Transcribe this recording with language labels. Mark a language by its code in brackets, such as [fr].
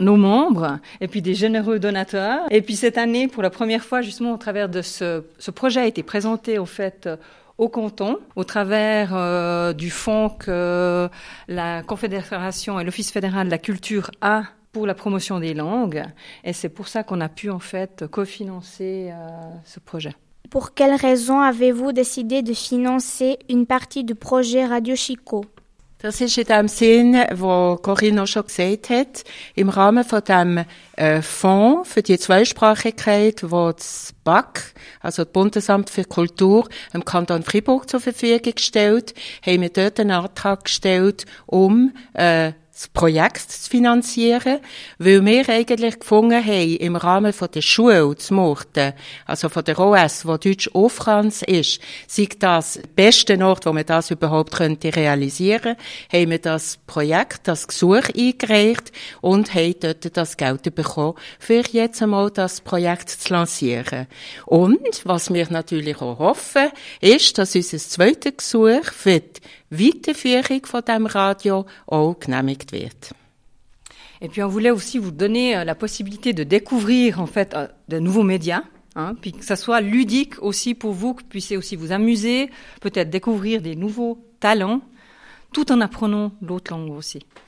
[fr] Nos membres et puis des généreux donateurs. Et puis cette année, pour la première fois, justement, au travers de ce projet a été présenté, en fait, au canton, au travers du fonds que la Confédération et l'Office fédéral de la culture a pour la promotion des langues, et c'est pour ça qu'on a pu en fait cofinancer ce projet. Pour quelles raisons avez-vous décidé de financer une partie du projet Radio Chico? [de] Das ist in dem Sinn, wo Corinne auch schon gesagt hat, im Rahmen von dem Fonds für die Zweisprachigkeit, wo das BAK, also das Bundesamt für Kultur, im Kanton Fribourg zur Verfügung gestellt, haben wir dort einen Antrag gestellt, um das Projekt zu finanzieren, weil wir eigentlich gefunden haben, im Rahmen von der Schule zu machen, also von der OS, wo Deutsch auf Franz ist, sei das der beste Ort, wo man das überhaupt könnte realisieren, haben wir das Projekt, das Gesuch eingereicht und haben dort das Geld bekommen, für jetzt einmal das Projekt zu lancieren. Und was wir natürlich auch hoffen, ist, dass unser zweites Gesuch für die Weiterführung von diesem Radio auch genehmigt wird. [fr] Et puis on voulait aussi vous donner la possibilité de découvrir en fait de nouveaux médias, hein, puis que ça soit ludique aussi pour vous, que vous puissiez aussi vous amuser, peut-être découvrir des nouveaux talents, tout en apprenant l'autre langue aussi.